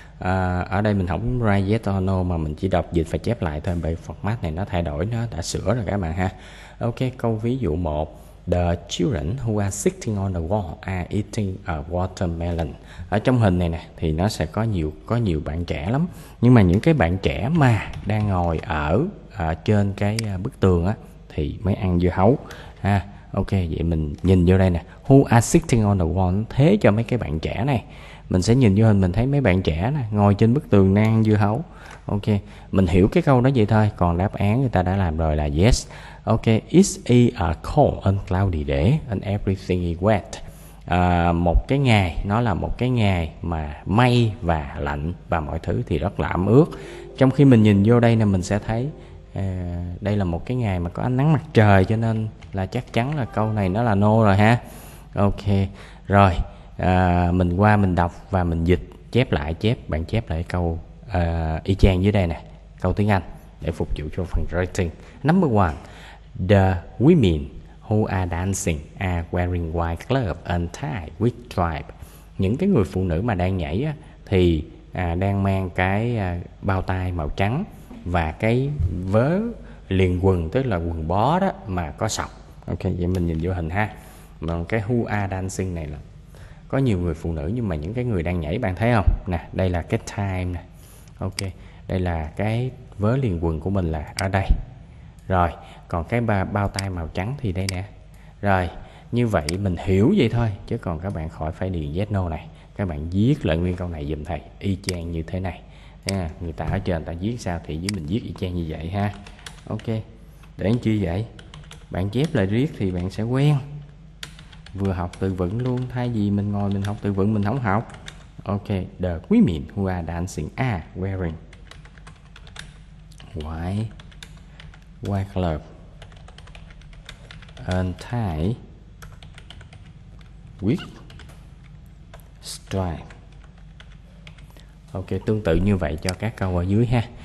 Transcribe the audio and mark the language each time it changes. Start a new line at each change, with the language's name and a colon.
Vietnamese: Ở đây mình không write yes or no mà mình chỉ đọc dịch và chép lại thôi, bởi format này nó thay đổi, nó đã sửa rồi các bạn ha. Ok, câu ví dụ 1.
English: The children who are sitting on the wall are eating a watermelon.
Vietnamese: Ở trong hình này nè thì nó sẽ có nhiều bạn trẻ lắm. Nhưng mà những cái bạn trẻ mà đang ngồi ở trên cái bức tường á thì mới ăn dưa hấu ha. Ok, vậy mình nhìn vô đây nè.
English: Who are sitting on the wall?
Vietnamese: Thế cho mấy cái bạn trẻ này. Mình sẽ nhìn vô hình, mình thấy mấy bạn trẻ nè, ngồi trên bức tường đang ăn dưa hấu. Ok, mình hiểu cái câu đó vậy thôi. Còn đáp án người ta đã làm rồi là yes.
English: Ok, it's a cold and cloudy day and everything is wet.
Vietnamese: Một cái ngày, nó là một cái ngày mà mây và lạnh và mọi thứ thì rất là ẩm ướt. Trong khi mình nhìn vô đây nè, mình sẽ thấy đây là một cái ngày mà có ánh nắng mặt trời, cho nên là chắc chắn là câu này nó là no rồi ha. Ok, rồi. Mình qua mình đọc và mình dịch, chép lại, chép, bạn chép lại câu y chang dưới đây nè, câu tiếng Anh để phục vụ cho phần writing.
English: Number one, the women who are dancing are wearing white gloves and tie with stripe.
Vietnamese: Những cái người phụ nữ mà đang nhảy á, thì đang mang cái bao tay màu trắng và cái vớ liền quần, tức là quần bó đó mà có sọc. Ok, vậy mình nhìn vô hình ha. Mà cái who are dancing này là có nhiều người phụ nữ, nhưng mà những cái người đang nhảy bạn thấy không? Nè, đây là cái time nè. Ok, đây là cái vớ liền quần của mình là ở đây. Rồi, còn cái bao tay màu trắng thì đây nè. Rồi, như vậy mình hiểu vậy thôi. Chứ còn các bạn khỏi phải điền yes no này. Các bạn viết lại nguyên câu này giùm thầy. Y chang như thế này. Yeah, người ta ở trên người ta viết sao thì dưới mình viết y chang như vậy ha. Ok, để anh chi vậy? Bạn chép lại riết thì bạn sẽ quen. Vừa học từ vựng luôn, thay vì mình ngồi mình học từ vựng mình không học.
English: Ok, the women who are dancing are wearing white gloves and tie with stripe.
Vietnamese: Ok, tương tự như vậy cho các câu ở dưới ha.